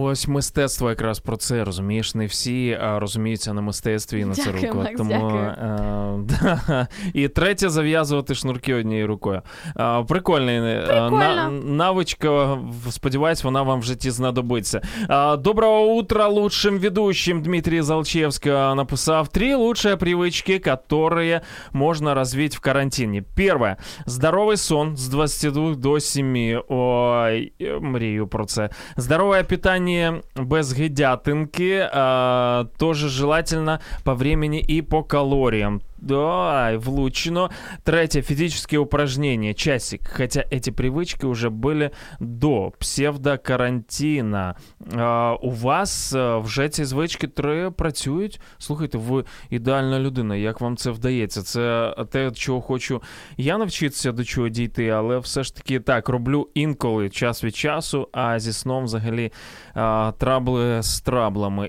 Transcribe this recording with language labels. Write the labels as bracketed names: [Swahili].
[Ukrainian] Ось мистецтво якраз про це, розумієш? Не всі розуміються на мистецтві і на це руку. Тому, і третє, зав'язувати шнурки однією рукою. Прикольний. Навичка, сподіваюсь, вона вам в житті знадобиться. [Russian] Доброго утра лучшим ведущим. Дмитрий Залчевський написав: «Три лучшие привычки, которые можно развить в карантине. Первое. Здоровый сон с 22 до 7. [Ukrainian] Ой, мрію про це. [Russian] Здоровое питание без гидятинки. Тоже желательно по времени и по калориям». Да, влучено. Третье. Физические упражнения. Часик. Хотя эти привычки уже были до псевдокарантина. [Ukrainian] У вас вже ці звички троє працюють? Слухайте, ви ідеальна людина. Як вам це вдається? Це те, чого хочу я навчитися, до чого дійти, але все ж таки так, роблю інколи, час від часу, а зі сном взагалі трабли з траблами.